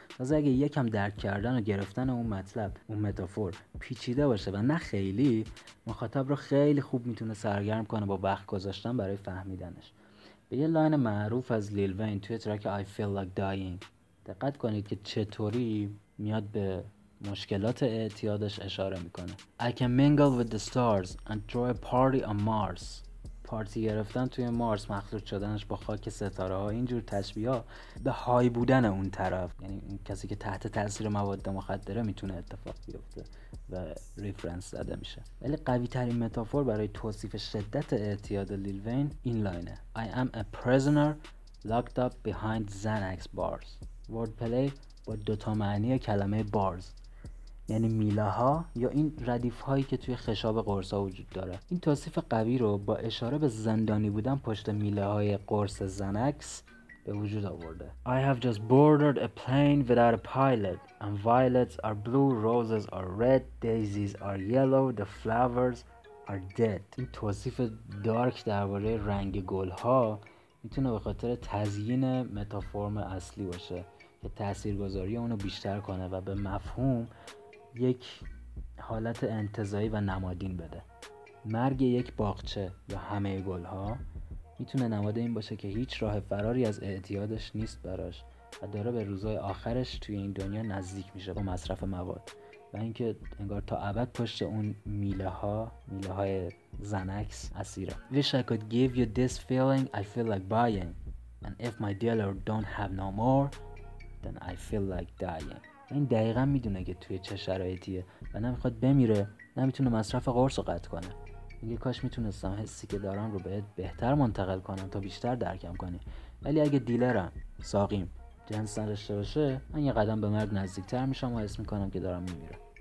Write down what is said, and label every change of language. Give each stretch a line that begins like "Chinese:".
Persian: باز اگه یکم درک کردن و گرفتن اون مطلب، اون متافور پیچیده باشه و نه خیلی، مخاطب رو خیلی خوب میتونه سرگرم کنه با وقت گذاشتن برای فهمیدنش. به یه لاین معروف از لیل وین توی ترک I Feel Like Dying دقت کنید که چطوری میاد به مشکلات اعتیادش اشاره میکنه.
English: I can mingle with the stars and throw a party on Mars.
Persian: پارتی گرفتن توی مارس، مخلوط شدنش با خاک ستاره ها، اینجور تشبیه ها به های بودن اون طرف، یعنی اون کسی که تحت تاثیر مواد مخدره میتونه اتفاق بیفته و ریفرنس زده میشه. ولی قوی ترین متافور برای توصیف شدت اعتیاد لیل وین این لاینه:
English: I am a prisoner locked up behind Xanax bars.
Persian: وردپلی با دوتا معنی کلمه bars یعنی میله ها یا این ردیف هایی که توی خشاب قرص ها وجود داره. این توصیف قوی رو با اشاره به زندانی بودن پشت میله های قرص زنکس به وجود آورده.
English: I have just boarded a plane without a pilot and violets are blue, roses are red, daisies are yellow, the flowers are dead.
Persian: این توصیف دارک درباره رنگ گل ها میتونه به خاطر تزیین متافورم اصلی باشه که تاثیرگذاری اونو بیشتر کنه و به مفهوم یک حالت انتزاعی و نمادین بده. مرگ یک باغچه و همه گلها میتونه نماد این باشه که هیچ راه فراری از اعتیادش نیست براش و داره به روزای آخرش توی این دنیا نزدیک میشه با مصرف مواد، و اینکه انگار تا ابد پشت اون میله های زنکس اسیره.
English: Wish I could give you this feeling I feel like buying and if my dealer don't have no more then I feel like dying.
Persian: این دقیقا میدونه که توی چه شرایطیه و نمیخواد بمیره، نمیتونه مصرف قرص رو قطع کنه. میگه کاش میتونستم حسی که دارم رو بهت بهتر منتقل کنم تا بیشتر درکم کنی، ولی اگه دیلرم، ساقیم، جنس نداشته باشه من یه قدم به مرگ نزدیکتر میشم و حس میکنم که دارم میمیرم.